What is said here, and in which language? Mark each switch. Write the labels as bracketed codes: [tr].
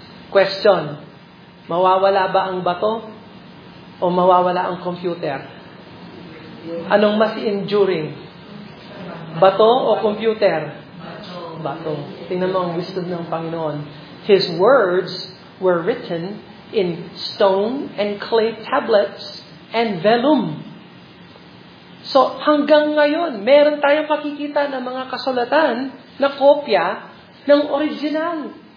[tl] Question, mawawala ba ang bato o mawawala ang computer? Anong mas enduring? Bato o computer? Bato. Tingnan mo ang wisdom ng Panginoon. [en] His words were written in stone and clay tablets and vellum. [tl] So hanggang ngayon, meron tayong pakikita ng mga kasulatan na kopya ng original.